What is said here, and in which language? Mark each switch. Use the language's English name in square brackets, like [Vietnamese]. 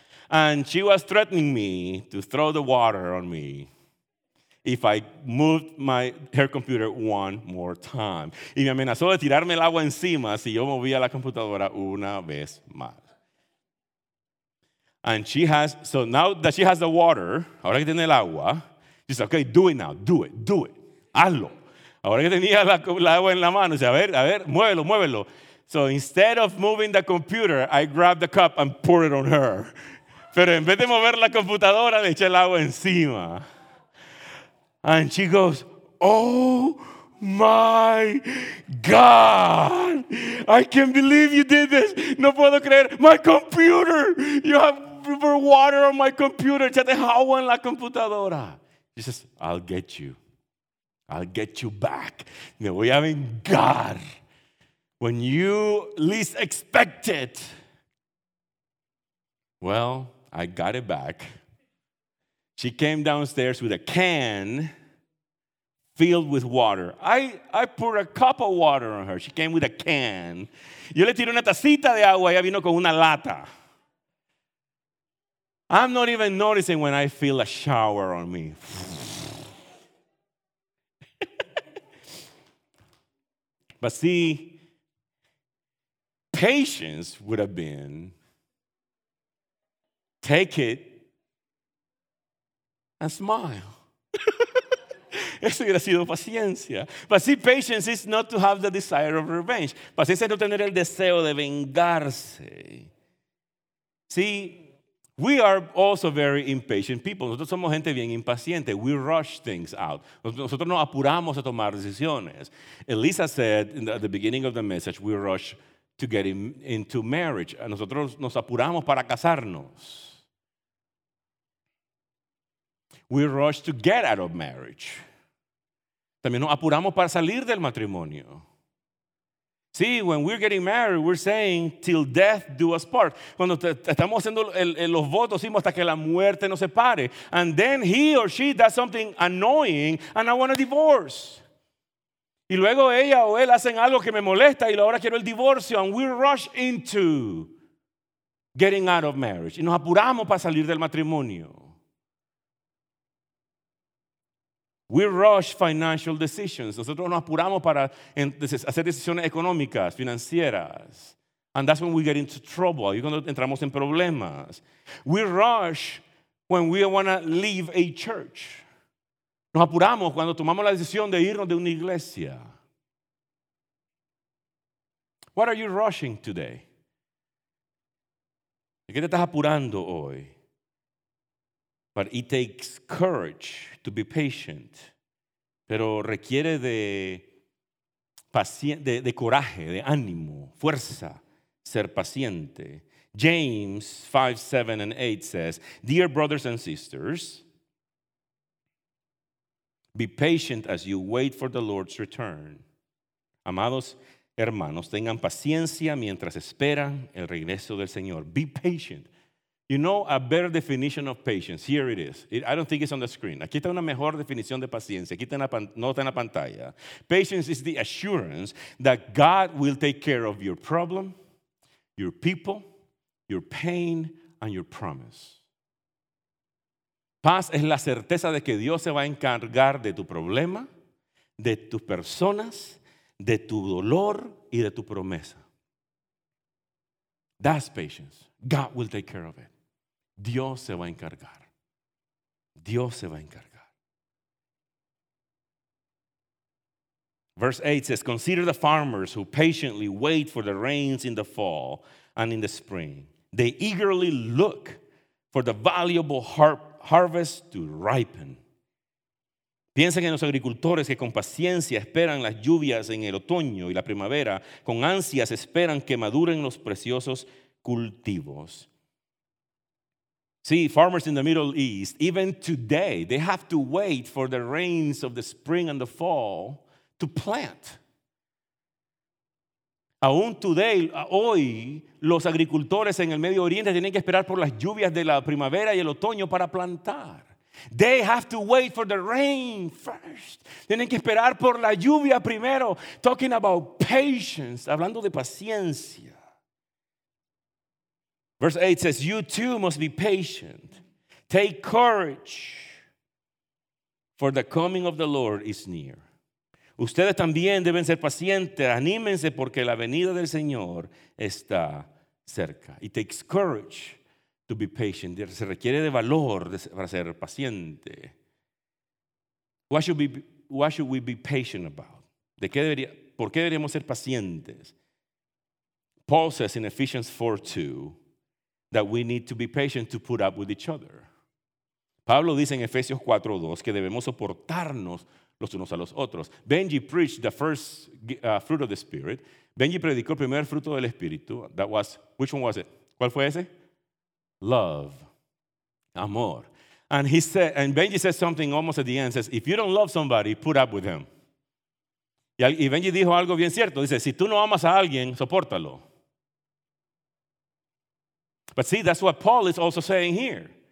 [English] And she was threatening me to throw the water on me if I moved my her computer one more time. [Spanish] Y me amenazó de tirarme el agua encima si yo movía la computadora una vez más. [English] And she has, so now that she has the water, [Spanish] ahora que tiene el agua, [English] she said, okay, do it now, do it, [Spanish] hazlo. Ahora que tenía la agua en la mano, dice, a ver, muévelo, muévelo. [English] So instead of moving the computer, I grabbed the cup and poured it on her. [Spanish] Pero en vez de mover la computadora, le eché el agua encima. [English] And she goes, oh my God, I can't believe you did this. [Spanish] No puedo creer, [English] my computer, you have water on my computer. [Spanish] Echate agua en la computadora. [English] She says, I'll get you. I'll get you back. [Spanish] Me voy a vengar. [English] When you least expect it. Well, I got it back. She came downstairs with a can filled with water. I poured a cup of water on her. She came with a can. [Spanish] Yo le tiré una tacita de agua y ella vino con una lata. [English] I'm not even noticing when I feel a shower on me. But see, patience would have been take it and smile. [Spanish] Eso hubiera sido paciencia. [English] But see, patience is not to have the desire of revenge. [Spanish] Paciencia es no tener el deseo de vengarse. [English] See, we are also very impatient people. [Spanish] Nosotros somos gente bien impaciente. [English] We rush things out. [Spanish] Nosotros nos apuramos a tomar decisiones. [English] Elisa said at the beginning of the message, we rush to get into marriage. [Spanish] Nosotros nos apuramos para casarnos. [English] We rush to get out of marriage. [Spanish] También nos apuramos para salir del matrimonio. [English] See, when we're getting married, we're saying, till death do us part. [Spanish] Cuando estamos haciendo los votos, decimos hasta que la muerte nos separe. [English] And then he or she does something annoying, and I want a divorce. [Spanish] Y luego ella o él hacen algo que me molesta, y ahora quiero el divorcio. [English] And we rush into getting out of marriage. [Spanish] Y nos apuramos para salir del matrimonio. [English] We rush financial decisions. [Spanish] Nosotros nos apuramos para hacer decisiones económicas, financieras. [English] And that's when we get into trouble. [Spanish] Ahí es cuando entramos en problemas. [English] We rush when we want to leave a church. [Spanish] Nos apuramos cuando tomamos la decisión de irnos de una iglesia. [English] What are you rushing today? [Spanish] ¿De qué te estás apurando hoy? [English] But it takes courage to be patient. [Spanish] Pero requiere de coraje, de ánimo, fuerza, ser paciente. [English] James 5, 7, and 8 says, dear brothers and sisters, be patient as you wait for the Lord's return. [Spanish] Amados hermanos, tengan paciencia mientras esperan el regreso del Señor. [English] Be patient. You know a better definition of patience. Here it is. I don't think it's on the screen. [Spanish] Aquí está una mejor definición de paciencia. Aquí está en la pantalla. [English] Patience is the assurance that God will take care of your problem, your people, your pain, and your promise. [Spanish] Paz es la certeza de que Dios se va a encargar de tu problema, de tus personas, de tu dolor y de tu promesa. [English] That's patience. God will take care of it. [Spanish] Dios se va a encargar. Dios se va a encargar. [English] Verse 8 says, consider the farmers who patiently wait for the rains in the fall and in the spring. They eagerly look for the valuable harvest to ripen. [Spanish] Piensen en los agricultores que con paciencia esperan las lluvias en el otoño y la primavera, con ansias esperan que maduren los preciosos cultivos. [English] See, farmers in the Middle East, even today, they have to wait for the rains of the spring and the fall to plant. [Spanish] Aún today, hoy, los agricultores en el Medio Oriente tienen que esperar por las lluvias de la primavera y el otoño para plantar. [English] They have to wait for the rain first. [Spanish] Tienen que esperar por la lluvia primero. [English] Talking about patience, [Spanish] hablando de paciencia. [English] Verse 8 says, you too must be patient. Take courage, for the coming of the Lord is near. [Spanish] Ustedes también deben ser pacientes. Anímense, porque la venida del Señor está cerca. [English] It takes courage to be patient. [Spanish] Se requiere de valor para ser paciente. [English] What should we be patient about? [Spanish] ¿De qué debería, por qué deberíamos ser pacientes? [English] Paul says in Ephesians 4:2 that we need to be patient to put up with each other. [Spanish] Pablo dice en Efesios 4:2 que debemos soportarnos los unos a los otros. [English] Benji preached the first fruit of the Spirit. [Spanish] Benji predicó el primer fruto del Espíritu. [English] That was, which one was it? [Spanish] ¿Cuál fue ese? [English] Love. [Spanish] Amor. [English] And he said, and Benji said something almost at the end. Says, if you don't love somebody, put up with them. [Spanish] Y Benji dijo algo bien cierto. Dice, si tú no amas a alguien, sopórtalo. [English] But see, that's what Paul is also saying here.